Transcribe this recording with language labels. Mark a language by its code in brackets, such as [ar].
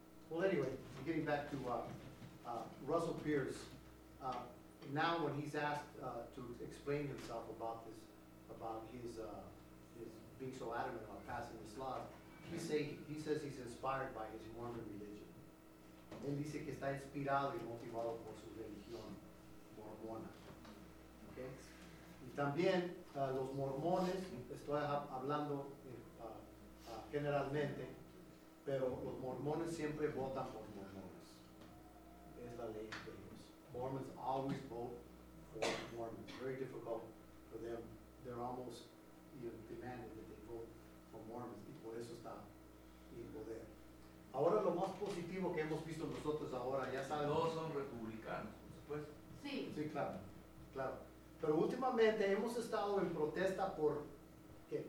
[en] Well, anyway, getting back to Russell Pierce, now when he's asked to explain himself about this, about his being so adamant about passing this law, he says he's inspired by his Mormon religion. [es] Él dice que está inspirado y motivado por su religión. Okay. Y también los mormones, estoy hablando generalmente, pero los mormones siempre votan por mormones. Es la ley de ellos. [en] Mormons always vote for Mormons. Very difficult for them. They're almost demanding that they vote for Mormons. [es] Y por eso está el poder. Ahora lo más positivo que hemos visto nosotros ahora, ya saben. Todos son republicanos, por supuesto. Sí. Sí, claro. Pero últimamente hemos estado en protesta por, ¿qué?